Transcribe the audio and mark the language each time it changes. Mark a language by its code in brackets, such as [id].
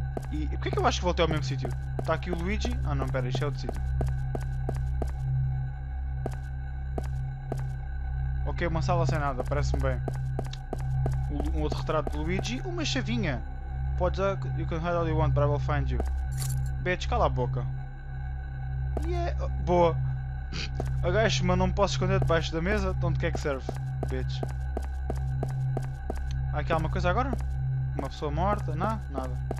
[pt] E porquê que eu acho que voltei ao mesmo sítio? Está aqui o Luigi? Ah não, espera, isto é outro sítio. Ok, uma sala sem nada, parece-me bem. Um outro retrato do Luigi, uma chavinha. [en] Podes, you can hide all you want, but I will find you. [pt] Bitch, cala a boca. Yeah, boa. Agacho, mas não me posso esconder debaixo da mesa, então de que é que serve? Bitch. Há aqui alguma coisa agora? Uma pessoa morta? Não, nada.